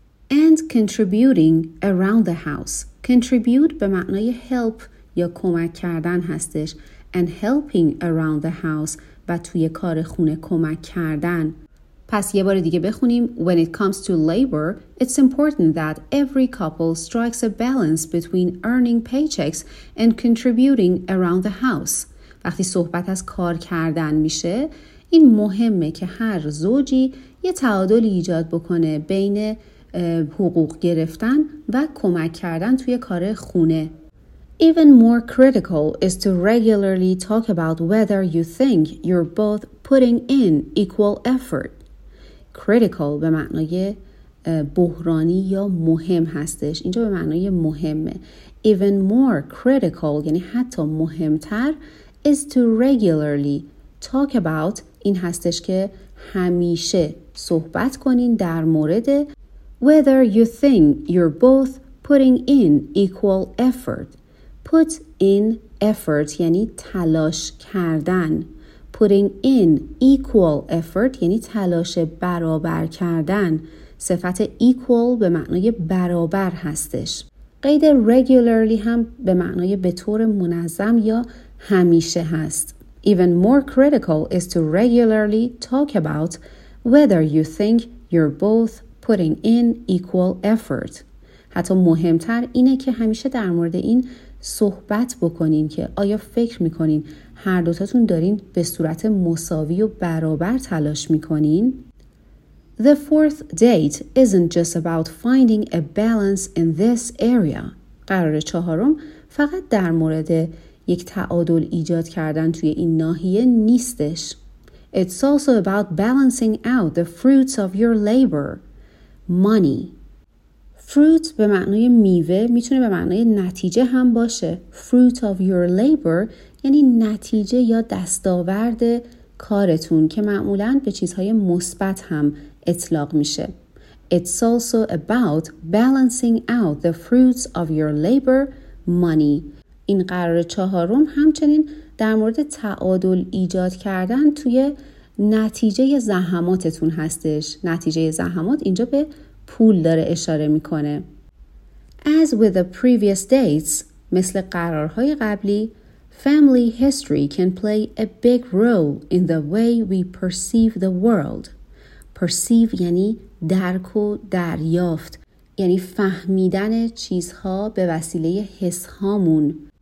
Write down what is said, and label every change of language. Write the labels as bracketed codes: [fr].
[en] And contributing around the house. [fa] Contribute به معنای help یا کمک کردن هستش. [en] And helping around the house، [fa] و توی کار خونه کمک کردن. پس یه بار دیگه بخونیم: [en] When it comes to labor, it's important that every couple strikes a balance between earning paychecks and contributing around the house. [fa] وقتی صحبت از کار کردن میشه، این مهمه که هر زوجی یه تعادلی ایجاد بکنه بین حقوق گرفتن و کمک کردن توی کار خونه. [en] Even more critical is to regularly talk about whether you think you're both putting in equal effort. [fa] Critical به معنای بحرانی یا مهم هستش. اینجا به معنای مهمه. [en] Even more critical [fa] یعنی حتی مهمتر [en] is to regularly talk about [fa] این هستش که همیشه صحبت کنین در مورد [en] whether you think you're both putting in equal effort. [fa] Put in effort یعنی تلاش کردن. Putting in equal effort یعنی تلاش برابر کردن. صفت equal به معنای برابر هستش. قید regularly هم به معنای به طور منظم یا همیشه هست. [en] Even more critical is to regularly talk about whether you think you're both putting in equal effort. [fa] حتی مهمتر اینه که همیشه در مورد این صحبت بکنین که آیا فکر میکنین هر دوتاتون دارین به صورت مساوی و برابر تلاش میکنین؟ [en] The fourth date isn't just about finding a balance in this area. [fa] قرار چهارم فقط در مورد یک تعادل ایجاد کردن توی این ناحیه نیستش. [en] It's also about balancing out the fruits of your labor. Money. [fa] Fruit به معنای میوه میتونه به معنای نتیجه هم باشه. Fruit of your labor یعنی نتیجه یا دستاورد کارتون که معمولاً به چیزهای مثبت هم اطلاق میشه. [en] It's also about balancing out the fruits of your labor, money. [fa] این قرار چهارم همچنین در مورد تعادل ایجاد کردن توی نتیجه زحماتتون هستش. نتیجه زحمات اینجا به پول داره اشاره میکنه. [en] As with the previous dates، [fa] مثل قرارهای قبلی، [en] family history can play a big role in the way we perceive the world. [fa] Perceive یعنی درک و دریافت، یعنی فهمیدن چیزها به وسیله حس هامون.